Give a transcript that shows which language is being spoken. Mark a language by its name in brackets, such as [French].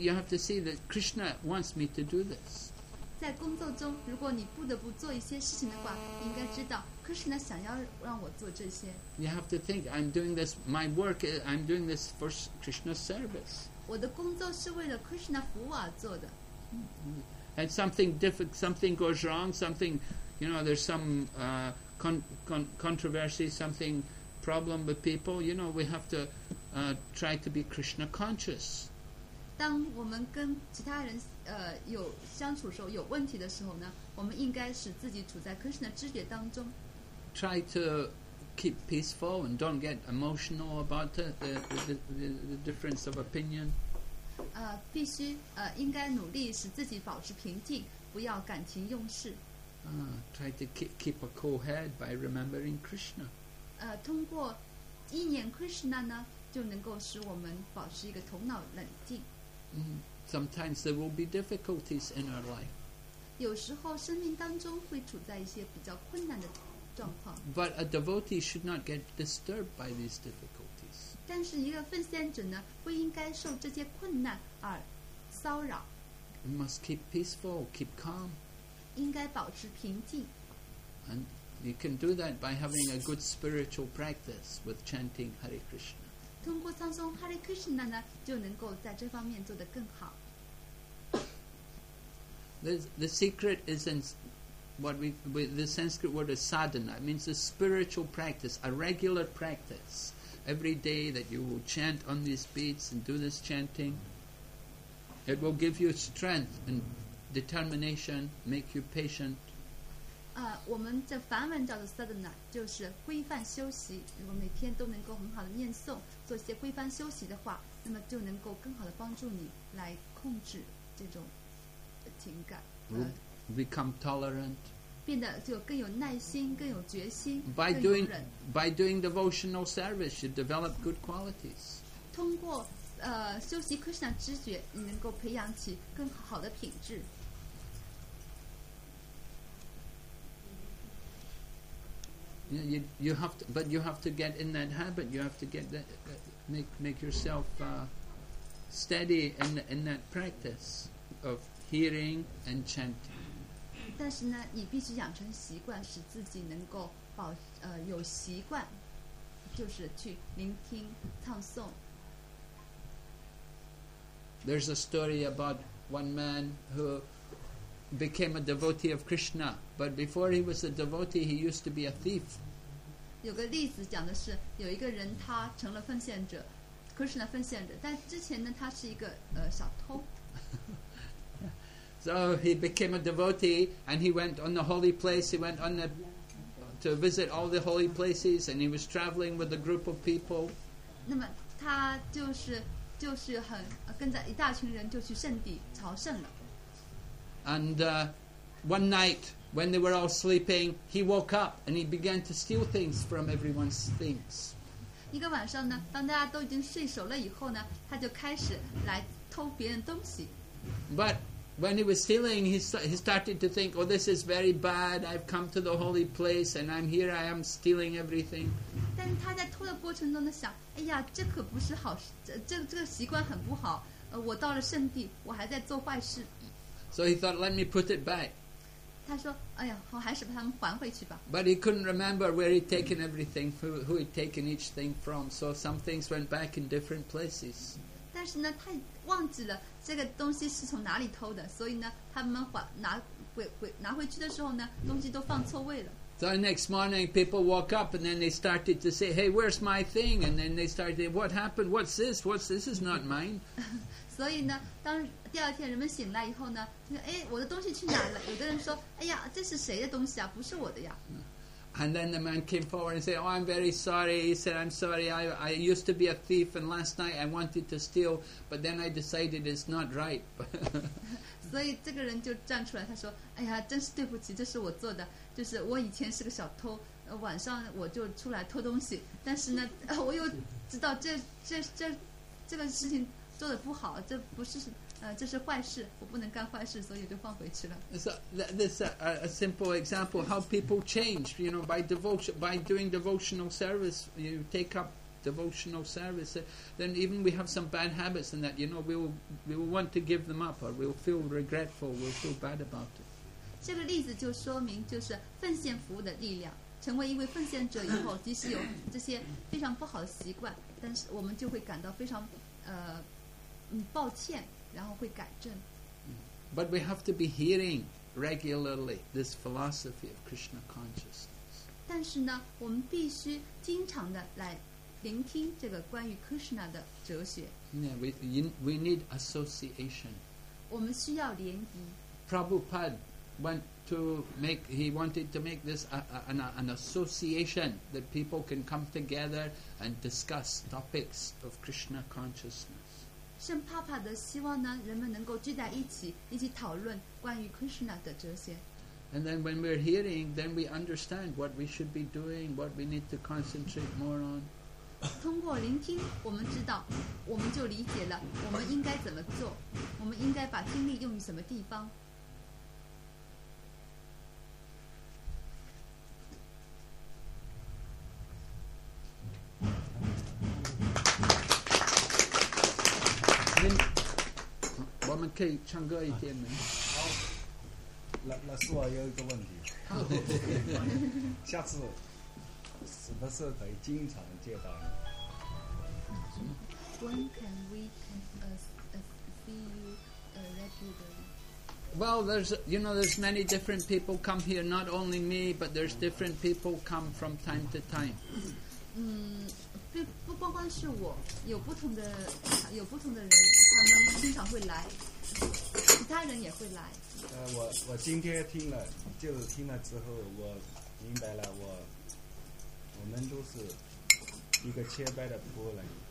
[English] You have to see that Krishna wants me to do this. [Chinese] 在工作中，如果你不得不做一些事情的话，应该知道 Krishna 想要让我做这些。 [English] You have to think I'm doing this. My work. I'm doing this for Krishna's service. [Chinese] 我的工作是为了 Krishna 服务而做的。 [English] And something goes wrong. Something, you know, there's some controversy. Something. Problem with people, you know, we have to try to be Krishna conscious. [Chinese] 当我们跟其他人有相处时候有问题的时候呢，我们应该使自己处在 Krishna 知觉当中。 [English] Try to keep peaceful and don't get emotional about the difference of opinion. [Chinese] 必须应该努力使自己保持平静，不要感情用事。 [English] Try to keep a cool head by remembering Krishna. [Chinese] 通过一念 Krishna 呢，就能够使我们保持一个头脑冷静。 [English] Sometimes there will be difficulties in our life. [Chinese] 有时候生命当中会处在一些比较困难的状况。 [English] But a devotee should not get disturbed by these difficulties. [Chinese] 但是一个奉献者呢，不应该受这些困难而骚扰。 [English] We must keep peaceful, keep calm. [Chinese] 应该保持平静。 [English] And you can do that by having a good spiritual practice with chanting Hare Krishna. [Chinese] 通过唱诵 Hare Krishna 呢，就能够在这方面做得更好。 [English] The secret is in what we, the Sanskrit word is sadhana. It means a spiritual practice, a regular practice. Every day that you will chant on these beads and do this chanting, it will give you strength and determination, make you patient. [Chinese] 我们的梵文叫做 sadhana, 就是规范修习。如果每天都能够很好的念诵，做一些规范修习的话，那么就能够更好的帮助你来控制这种。情感 [English] become tolerant, [Chinese] 变得就更有耐心，更有决心。 [English] By doing devotional service, you develop good qualities. [Chinese] 通过修习 Krishna 知觉，你能够培养起更好的品质。 [English] You have to, but you have to get in that habit. You have to get that, make yourself steady in that practice of. Hearing and chanting. [Chinese] 但是呢，你必须养成习惯，使自己能够保有习惯，就是去聆听唱诵。 [English] There's a story about one man who became a devotee of Krishna, but before he was a devotee, he used to be a thief. [Chinese] 有个例子讲的是，有一个人他成了奉献者 ，Krishna 奉献者，但之前呢，他是一个小偷。 [English] So he became a devotee and he went on the holy place, he went on the, to visit all the holy places and he was traveling with a group of people. [Chinese] 那么他就是很跟着一大群人就去圣地朝圣了。 [English] And one night when they were all sleeping, he woke up and he began to steal things from everyone's things. [Chinese] 一个晚上呢，当大家都已经睡熟了以后呢，他就开始来偷别人东西。 [English] But,When he was stealing, he started to think, oh, this is very bad. I've come to the holy place and I'm here. I am stealing everything. [Chinese] 但他在偷的过程中呢想，哎呀，这可不是好，这个习惯很不好。我到了圣地，我还在做坏事。 [English] So he thought, let me put it back. [Chinese] 他说，哎呀，我还是把它们还回去吧。 [English] But he couldn't remember where he'd taken everything, who he'd taken each thing from. So some things went back in different places. [Chinese] 但是呢，他忘记了这个东西是从哪里偷的，所以呢，他们拿回去的时候呢，东西都放错位了。 [English] So next morning, people woke up and then they started to say, "Hey, where's my thing?" And then they started, "What happened? What's this? What's this? Is not mine." [Chinese] 所以呢，当第二天人们醒来以后呢，就说，哎，我的东西去哪了？有的人说，哎呀，这是谁的东西啊？不是我的呀。 [English] And then the man came forward and said, Oh, I'm very sorry. He said, I'm sorry. I used to be a thief and last night I wanted to steal, but then I decided it's not right. [Chinese] 所以这个人就站出来，他说，哎呀，真是对不起，这是我做的。就是我以前是个小偷，晚上我就出来偷东西。但是呢，我又知道这个事情做得不好，这不是这是坏事，我不能干坏事，所以就放回去了。 [English] So this a simple example how people change, you know, by devotion, by doing devotional service, you take up devotional service. Then even we have some bad habits in that, you know, we will want to give them up, or we'll feel regretful, we'll feel bad about it. [Chinese] 这个例子就说明就是奉献服务的力量。成为一位奉献者以后，即使有这些非常不好的习惯，但是我们就会感到非常抱歉。然后会改正。 [English] But we have to be hearing regularly this philosophy of Krishna consciousness. [Chinese] 但是呢，我们必须经常的来聆听这个关于 Krishna 的哲学。 [English] Yeah, we need association. [Chinese] 我们需要联谊。 [English] Prabhupada went to make, he wanted to make this an association that people can come together and discuss topics of Krishna consciousness. [Chinese] 圣帕帕的希望呢，人们能够聚在一起讨论关于 Krishna 的哲学。 And then when we're hearing, then we understand what we should be doing, what we need to concentrate more on. 通过聆听，我们知道，我们就理解了我们应该怎么做，我们应该把精力用于什么地方。可以唱歌一点吗？好，老师我有一个问题。好的。下次什么时候可以经常见到你？ [English] When can we see you regularly? Well, there's many different people come here, not only me, but there's different people come from time to time. [Chinese] 不光光是我，有不同的人，他们经常会来，其他人也会来。我今天听了之后，我明白了，我们都是一个千百的波人。